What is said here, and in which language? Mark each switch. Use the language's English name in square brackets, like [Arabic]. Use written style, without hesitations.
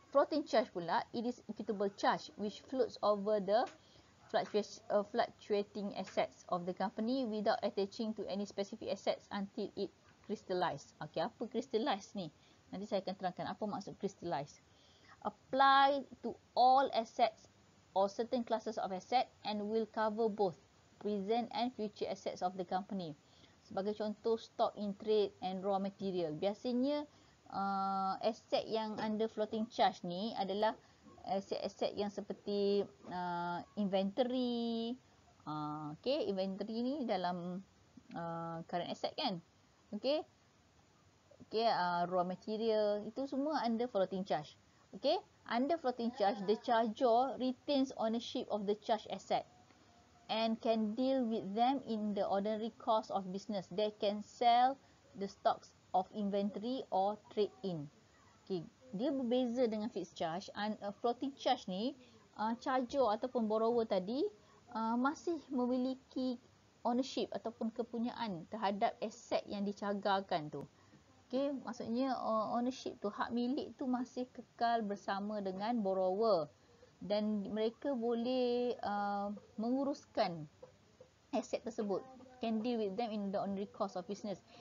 [English] Floating charge pula, it is equitable charge which floats over the fluctuating assets of the company without attaching to any specific assets until it crystallize. [Malay] Okay, apa crystallize ni? Nanti saya akan terangkan apa maksud crystallize. [English] Apply to all assets or certain classes of assets and will cover both present and future assets of the company. [Malay] Sebagai contoh, [English] stock in trade and raw material. [Malay] Biasanya, aset yang under floating charge ni adalah aset-aset yang seperti inventory. Okay, inventory ni dalam current asset kan? Okay. Okay, raw material. Itu semua under floating charge. [English] Okay, under floating charge, the charger retains ownership of the charge asset and can deal with them in the ordinary course of business. They can sell the stocks of inventory or trade in. [Malay] Okay, dia berbeza dengan fixed charge. And floating charge ni, charger ataupun borrower tadi masih memiliki ownership ataupun kepunyaan terhadap aset yang dicagarkan tu. Okay, maksudnya ownership tu, hak milik tu masih kekal bersama dengan borrower. Dan mereka boleh menguruskan aset tersebut. [English] Can deal with them in the ordinary course of business.